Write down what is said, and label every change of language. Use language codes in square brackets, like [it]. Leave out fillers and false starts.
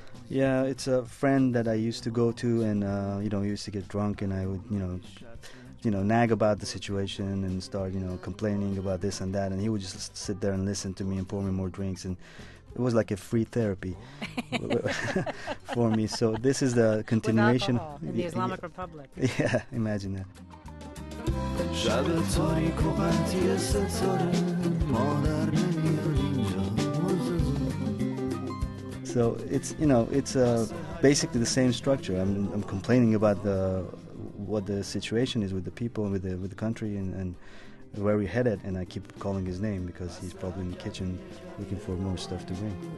[en] Yeah, it's a friend that I used to go to, and you know, used to get drunk, and I would, you know, nag about the situation and start, you know, complaining about this and that. And he would just sit there and listen to me and pour me more drinks. And it was like a free therapy for me. So this is the continuation. With alcohol in the Islamic Republic. Yeah, imagine that. [fa] شب تاریک و قطعی ستاره مادر نمیاد اینجا مرتضا. [en] So it's, you know, it's basically the same structure. I'm complaining about what the situation is with the people, with the country, and where we're headed. And I keep calling his name because he's probably in the kitchen looking for more stuff to bring.